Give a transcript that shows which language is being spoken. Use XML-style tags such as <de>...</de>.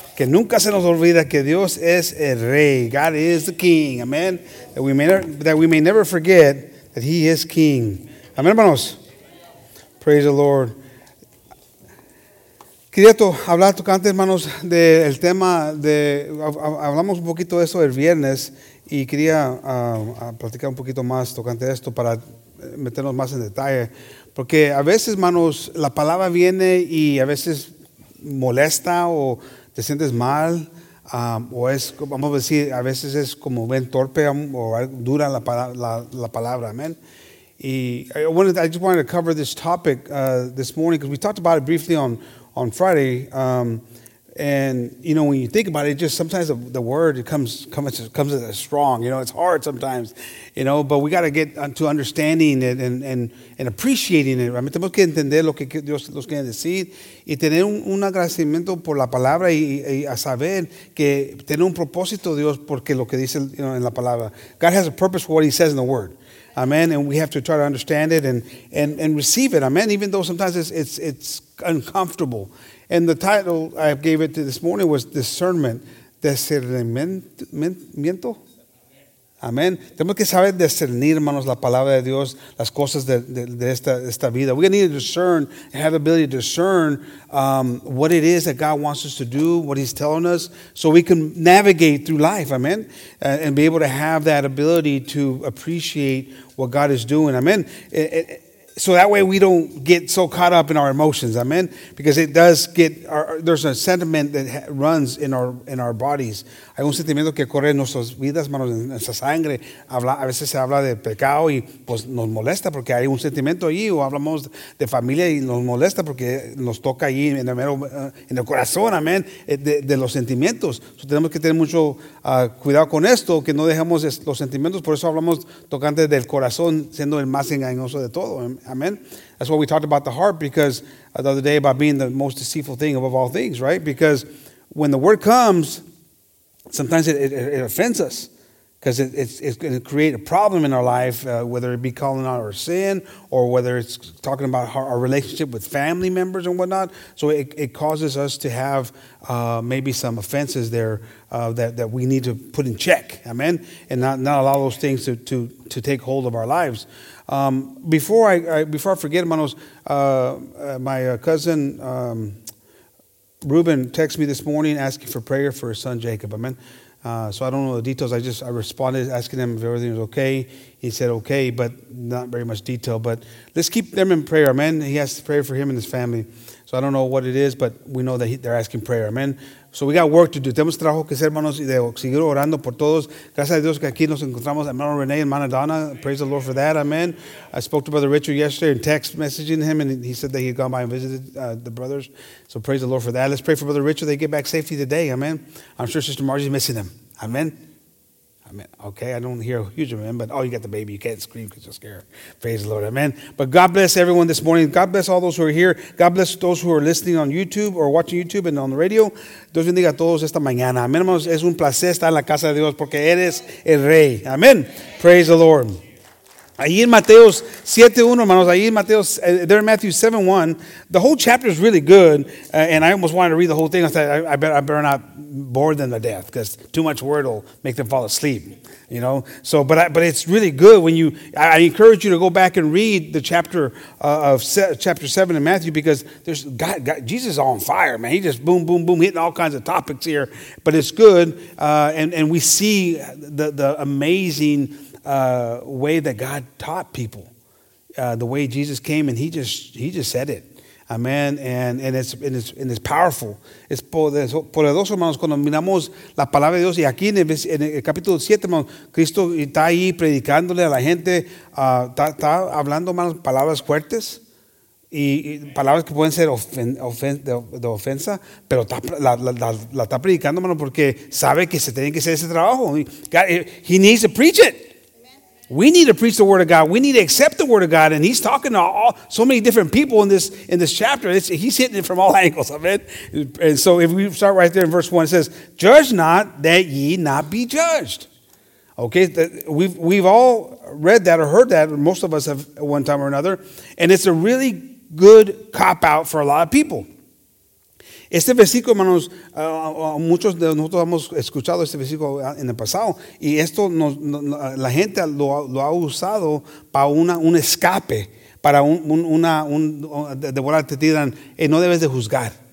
<es>Que nunca se nos olvida que Dios es el rey.</es> <en>God is the king. Amen. That we may never forget that he is king.</en> <es>Amen, hermanos.</es> <en>Praise the Lord.</en> <es>Quería hablar tocante, hermanos, del tema de... Hablamos un poquito de eso el viernes y quería platicar un poquito más tocante esto para meternos más en detalle. Porque a veces, hermanos, la palabra viene y a veces molesta o... te sientes mal, o es, vamos a decir, a veces es como ven torpe o dura la palabra, amen.</es> <en>Y I just wanted to cover this topic this morning, because we talked about it briefly on Friday, and, you know, when you think about it, just sometimes the word, it comes as strong, you know, it's hard sometimes, you know, but we got to get to understanding it and appreciating it, right?</en> <es>Tenemos que entender lo que Dios nos quiere decir y tener un agradecimiento por la palabra y a saber que tener un propósito Dios porque lo que dice,</es> <en>you know,</en> <es>en la palabra.</es> <en>God has a purpose for what he says in the word. Amen. And we have to try to understand it and receive it. Amen. Even though sometimes it's uncomfortable. And the title I gave it to this morning was discernment.</en> <es>Discernimiento. Amen. Tenemos que saber discernir, hermanos, la palabra de Dios, las cosas de esta vida.</es> <en>We need to discern and have the ability to discern what it is that God wants us to do, what he's telling us, so we can navigate through life. Amen. And be able to have that ability to appreciate what God is doing. Amen. So that way we don't get so caught up in our emotions, amen? Because it does get, there's a sentiment that runs in our bodies.</en> <es>Hay un sentimiento que corre en nuestras vidas, hermanos, en nuestra sangre. A veces se habla de pecado y pues nos molesta porque hay un sentimiento allí. O hablamos de familia y nos molesta porque nos toca allí en el corazón, amen, de los sentimientos. So tenemos que tener mucho cuidado con esto, que no dejemos los sentimientos. Por eso hablamos tocante del corazón siendo el más engañoso de todo, amen.</es> <en>That's why we talked about the heart, because the other day, about being the most deceitful thing above all things, right? Because when the word comes... sometimes it offends us because it's going to create a problem in our life, whether it be calling out our sin or whether it's talking about our relationship with family members and whatnot. So it causes us to have maybe some offenses there that we need to put in check, amen, and not allow those things to take hold of our lives. Before I forget, hermanos, my cousin... Ruben texted me this morning asking for prayer for his son Jacob. Amen. So I don't know the details. I responded asking him if everything was okay. He said okay, but not very much detail. But let's keep them in prayer. Amen. He has to pray for him and his family. So I don't know what it is, but we know that they're asking prayer. Amen. So we got work to do.</en> <es>Tenemos trabajo que hacer, hermanos, y de seguir orando por todos. Gracias a Dios que aquí nos encontramos, hermano Renee and hermana Donna.</es> <en>Praise the Lord for that. Amen. I spoke to Brother Richard yesterday and text messaging him, and he said that he had gone by and visited the brothers. So praise the Lord for that. Let's pray for Brother Richard. They get back safely today. Amen. I'm sure Sister Margie's missing him. Amen. Amen. Okay, I don't hear a huge amen, but oh, you got the baby. You can't scream because you're scared. Praise the Lord. Amen. But God bless everyone this morning. God bless all those who are here. God bless those who are listening on YouTube or watching YouTube and on the radio.</en> <es>Dios bendiga a todos esta mañana. Amen, hermanos. Es un placer estar en la casa de Dios porque eres el rey. Amen.</es> <en>Praise the Lord.</en> <es>Ahí en Mateo 7:1, hermanos. Ahí en Mateo,</es> <en>there in Matthew 7:1. The whole chapter is really good, and I almost wanted to read the whole thing. I said, I better not bore them to death, because too much word will make them fall asleep, you know. So, but it's really good when you. I encourage you to go back and read the chapter chapter 7 in Matthew, because there's God, Jesus is on fire, man. He just boom, boom, boom, hitting all kinds of topics here. But it's good, and we see the amazing way that God taught people. the way Jesus came, and he just said it. Amén. And it's powerful.</en> <es>Es poderoso, hermanos, cuando miramos la palabra de Dios. Y aquí en el capítulo 7, hermanos, Cristo está ahí predicándole a la gente. Está hablando, hermanos, palabras fuertes. Y palabras que pueden ser de ofensa, pero la está predicando, hermano, porque sabe que se tiene que hacer ese trabajo.</es> <en>He needs to preach it. We need to preach the word of God. We need to accept the word of God. And he's talking to so many different people in this chapter. He's hitting it from all angles. Amen. And so if we start right there in verse 1, it says, judge not that ye not be judged. Okay, we've all read that or heard that. Or most of us have at one time or another. And it's a really good cop-out for a lot of people.</en> <es>Este versículo, hermanos, muchos de nosotros hemos escuchado este versículo en el pasado, y esto la gente lo ha usado para un escape, para de volar te tiran, no debes de juzgar.</es>